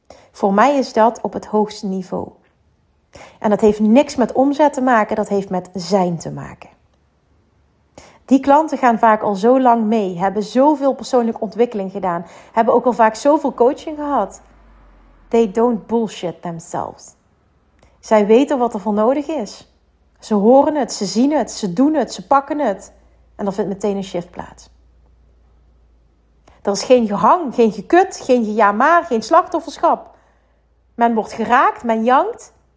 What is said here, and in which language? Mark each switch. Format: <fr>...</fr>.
<nl>Voor mij is dat op het hoogste niveau. En dat heeft niks met omzet te maken, dat heeft met zijn te maken. Die klanten gaan vaak al zo lang mee, hebben zoveel persoonlijke ontwikkeling gedaan, hebben ook al vaak zoveel coaching gehad.</nl> <en>They don't bullshit themselves.</en> <nl>Zij weten wat er voor nodig is. Ze horen het, ze zien het, ze doen het, ze pakken het. En dan vindt meteen een shift plaats. Er is geen gehang, geen gekut, geen ja maar, geen slachtofferschap. Men wordt geraakt, men jankt.</nl>